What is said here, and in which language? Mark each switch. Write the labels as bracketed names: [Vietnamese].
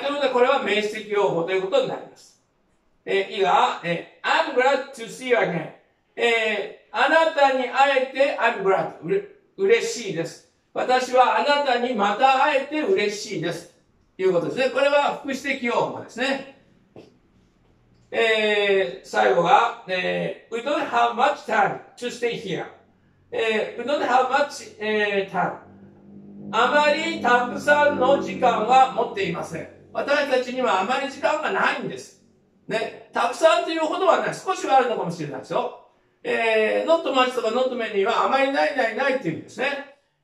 [Japanese] ということで、これは名詞的用法ということになります。次が、 [English] I'm glad to see you again. [Japanese] あなたに会えて [English] I'm glad. [Japanese] 嬉しいです。私はあなたにまた会えて嬉しいです。ということですね。これは副詞的用法ですね。 [English] 最後が、We don't have much time to stay here. We don't have much time. [Japanese] あまりたくさんの時間は持っていません。私たちにはあまり時間がないんです。ね。たくさんというほどはない。少しはあるのかもしれないですよ。 [English] not much [Japanese] とか [English] not many [Japanese] はあまりないっていうんですね。